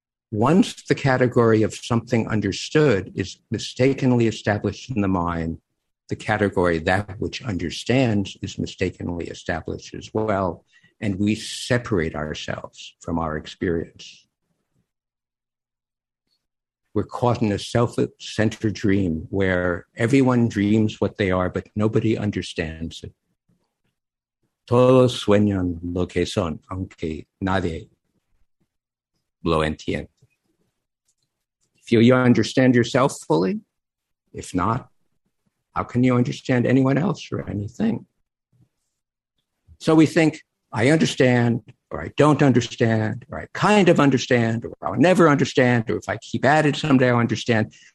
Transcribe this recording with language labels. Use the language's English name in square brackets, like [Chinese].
[English] Once the category of something understood is mistakenly established in the mind, the category that which understands is mistakenly established as well, and we separate ourselves from our experience. We're caught in a self-centered dream where everyone dreams what they are, but nobody understands it. [Spanish] Todos sueñan lo que son, aunque nadie lo entiende. [English] Feel you understand yourself fully? If not, how can you understand anyone else or anything? So we think, I understand, or I don't understand, or I kind of understand, or I'll never understand, or if I keep at it someday, I'll understand.